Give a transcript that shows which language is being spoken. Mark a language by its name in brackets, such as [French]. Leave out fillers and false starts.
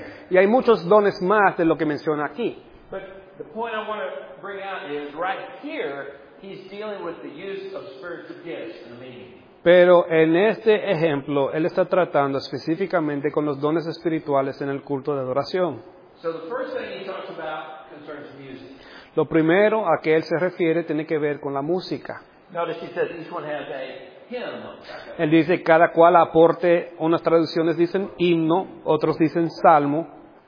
[Spanish] Y hay muchos dones más de lo que menciona aquí. [English] The point I want to bring out is right here he's dealing with the use of spiritual gifts in the meeting. [Spanish] Pero en este ejemplo él está tratando específicamente con los dones espirituales en el culto de adoración. [English] So the first thing he talks about concerns music. [Spanish] Lo primero a que él se refiere tiene que ver con la música. [English] Notice he says each one has a hymn. [Spanish] Él dice cada cual aporte, unas traducciones dicen himno, otros dicen salmo.